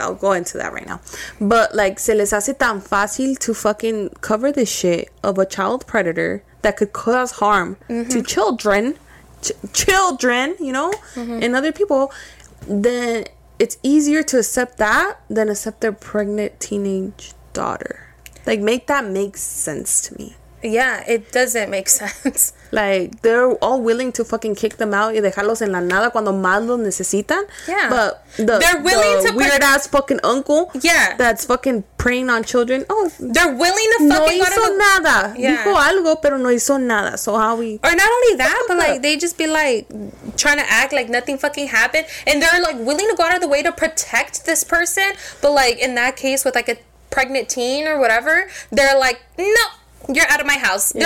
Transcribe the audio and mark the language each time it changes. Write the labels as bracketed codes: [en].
[en] I'll go into that right now. But, like, se les hace tan fácil to fucking cover this shit of a child predator that could cause harm to children. Children, you know, and other people, then it's easier to accept that than accept their pregnant teenage daughter. Like, make that make sense to me. Yeah, it doesn't make sense. Like, they're all willing to fucking kick them out y dejarlos en la nada cuando más lo necesitan. Yeah. But they're willing to weird ass fucking uncle that's fucking preying on children. Oh, they're willing to fucking [es] no hizo nada. Yeah. Dijo algo, pero no hizo nada. So how we... [en] Or not only that, but like, they just be like trying to act like nothing fucking happened. And they're like willing to go out of the way to protect this person. But like, in that case with like a pregnant teen or whatever, they're like, no. You're out of my house. Yeah.